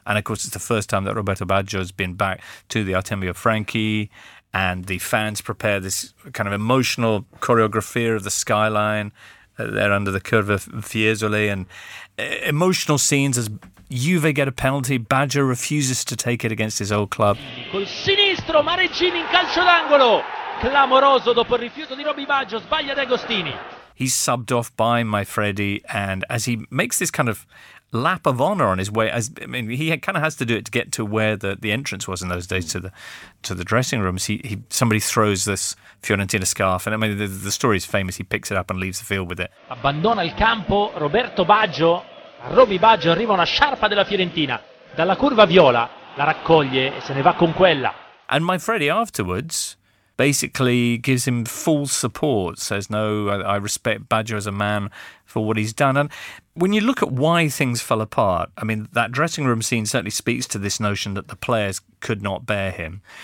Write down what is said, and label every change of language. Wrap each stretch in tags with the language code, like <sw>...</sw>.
<en>And, of course, it's the first time that Roberto Baggio has been back to the Artemio Franchi. And the fans prepare this kind of emotional choreography of the skyline there under the curve of Fiesole. And emotional scenes as Juve get a penalty. Baggio refuses to take it against his old club.</en> <it>Col sinistro, Marecini in calcio d'angolo. Clamoroso dopo il rifiuto di Robby Baggio, sbaglia De Agostini.</it> <en>He's subbed off by Maifredi, and as he makes this kind of lap of honour on his way, as I mean, he kind of has to do it to get to where the entrance was in those days to the dressing rooms. Somebody throws this Fiorentina scarf, and I mean the story is famous. He picks it up and leaves the field with it.</en> <it>Abbandona il campo Roberto Baggio. A Robby Baggio arriva una sciarpa della Fiorentina dalla curva viola, la raccoglie e se ne va con quella.</it> <en>And Maifredi afterwards basically gives him full support, says, no, I respect Baggio as a man for what he's done. And when you look at why things fell apart, I mean, that dressing room scene certainly speaks to this notion that the players could not bear him.</en>